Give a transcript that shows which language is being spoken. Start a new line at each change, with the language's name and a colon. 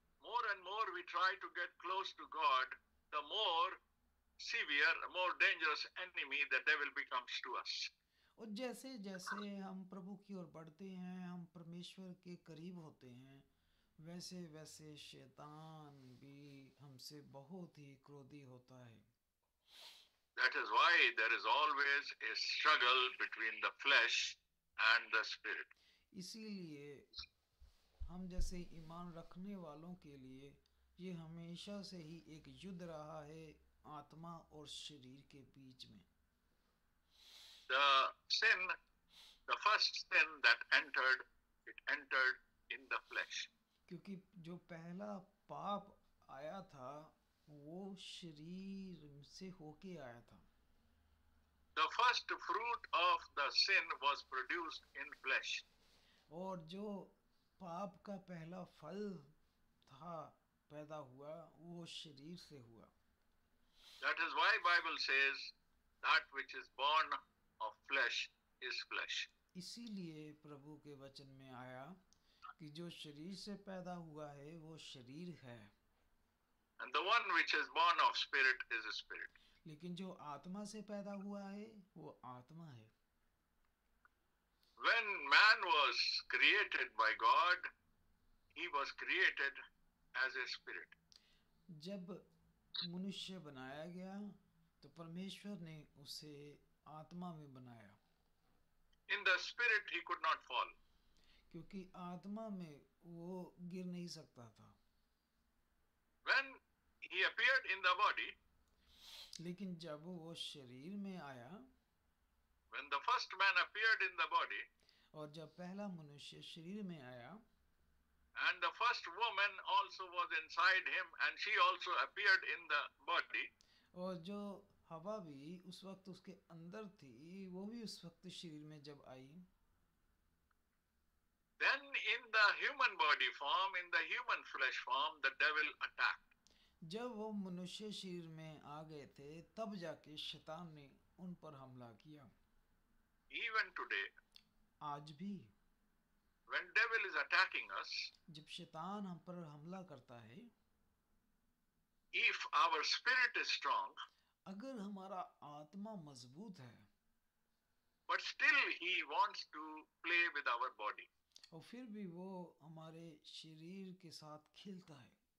English: More and more we try to get close to God, the more severe, more dangerous enemy the devil becomes to us.
Hindi: और जैसे जैसे हम प्रभु की ओर बढ़ते हैं, हम परमेश्वर के करीब होते हैं, वैसे वैसे शैतान भी हमसे बहुत ही क्रोधी होता है।
English: That is why there is always a struggle between the flesh and the spirit.
Hindi: इसीलिए हम जैसे ईमान रखने वालों के लिए ये हमेशा से ही एक युद्ध रहा है आत्मा और शरीर के बीच में।
English: The sin, the first sin that entered, it entered in the flesh.
Hindi: क्योंकि जो पहला पाप आया था वो शरीर से होके आया था।
English: The first fruit of the sin was produced in flesh.
Hindi: और जो पाप का पहला फल था पैदा हुआ वो शरीर से हुआ।
English: That is why Bible says that which is born of flesh is flesh.
Hindi: इसीलिए प्रभु के वचन में आया कि जो शरीर से पैदा हुआ है वो शरीर है।
English: And the one which is born of spirit is a spirit.
Hindi: लेकिन जो आत्मा से पैदा हुआ है वो आत्मा है।
English: When man was created by God, he was created as a spirit.
Hindi: जब मनुष्य बनाया गया तो परमेश्वर ने उसे आत्मा में बनाया।
English: In the spirit he could not fall.
Hindi: क्योंकि आत्मा में वो गिर नहीं सकता था।
English: When he appeared in the body,
Hindi: लेकिन जब वो शरीर में आया,
English: when the first man appeared in the body,
Hindi: और जब पहला मनुष्य शरीर में आया,
English: and the first woman also was inside him and she also appeared in the body.
Hindi: और जो हवा भी उस वक्त उसके अंदर थी वो भी उस वक्त शरीर में जब आई,
English: then in the human body form, in the human flesh form, the devil attacked.
Hindi: जब वो मनुष्य शरीर में आ गए थे, तब जाके शैतान ने उन पर हमला किया.
English: Even today,
Hindi: आज भी,
English: when devil is attacking us,
Hindi: जब शैतान हम पर हमला करता है,
English: if our spirit is strong,
Hindi: अगर हमारा आत्मा मजबूत है,
English: but still he wants to play with our body.
Hindi: और फिर भी वो हमारे शरीर के साथ खेलता है.